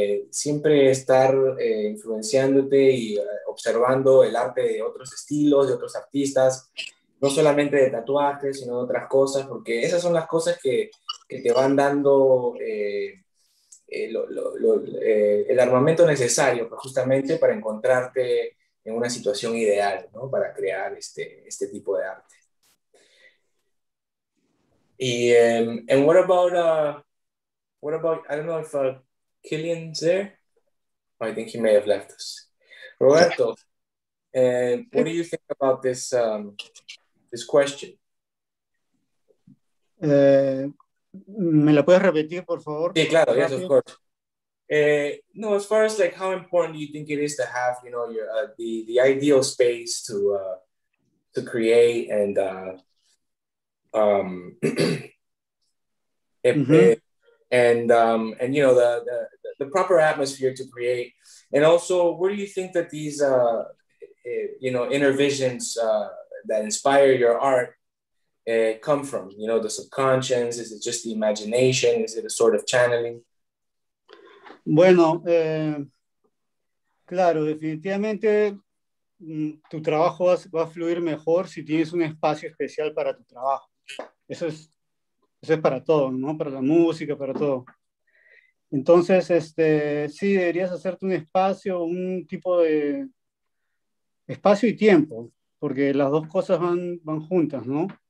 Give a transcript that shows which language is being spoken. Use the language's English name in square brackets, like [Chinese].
[Spanish] siempre estar influenciándote y observando el arte de otros estilos, de otros artistas, no solamente de tatuajes, sino de otras cosas, porque esas son las cosas que te van dando el armamento necesario justamente para encontrarte en una situación ideal, ¿no? Para crear este tipo de arte. [English] And what about I don't know if Killian's there. I think he may have left us. Roberto, what do you think about this this question? [Spanish] ¿Me la puedes repetir, por favor? Sí, claro, [English] yes, of course. No, as far as like how important do you think it is to have, you know, your the ideal space to create and and you know the proper atmosphere to create, and also where do you think that these you know inner visions that inspire your art come from? You know, the subconscious, is it just the imagination, is it a sort of channeling? [Spanish] Bueno, claro, definitivamente tu trabajo va a fluir mejor si tienes un espacio especial para tu trabajo. Eso es para todo, ¿no? Para la música, para todo. Entonces, sí, deberías hacerte un espacio, un tipo de espacio y tiempo, porque las dos cosas van juntas, ¿no?